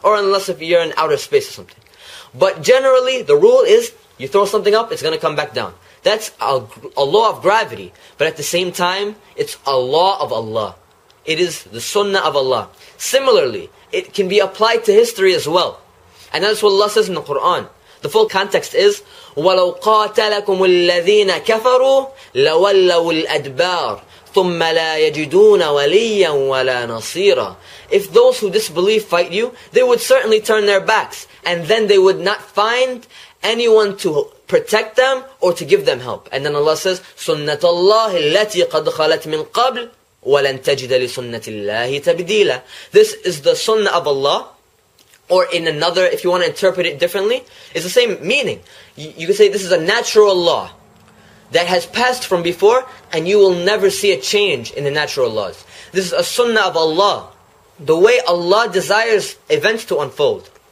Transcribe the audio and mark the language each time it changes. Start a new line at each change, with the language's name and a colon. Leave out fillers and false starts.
English: Or unless if you're in outer space or something. But generally, the rule is, you throw something up, it's going to come back down. That's a law of gravity. But at the same time, it's a law of Allah. It is the sunnah of Allah. Similarly, it can be applied to history as well. And that's what Allah says in the Quran. The full context is,
Arabic: وَلَوْ قَاتَلَكُمُ الَّذِينَ كَفَرُوا لَوَلَّوُ الْأَدْبَارُ ثُمَّ لَا يَجِدُونَ وَلِيًّا وَلَا نَصِيرًا.
English: If those who disbelieve fight you, they would certainly turn their backs. And then they would not find anyone to protect them or to give them help. And then Allah says,
Arabic: سُنَّةَ اللَّهِ الَّتِي قَدْ خَلَتْ مِنْ قَبْلِ وَلَنْ تَجِدَ لِسُنَّةِ اللَّهِ تَبْدِيلًا.
English: This is the sunnah of Allah. Or in another, if you want to interpret it differently, it's the same meaning. You could say this is a natural law that has passed from before and you will never see a change in the natural laws. This is a sunnah of Allah. The way Allah desires events to unfold.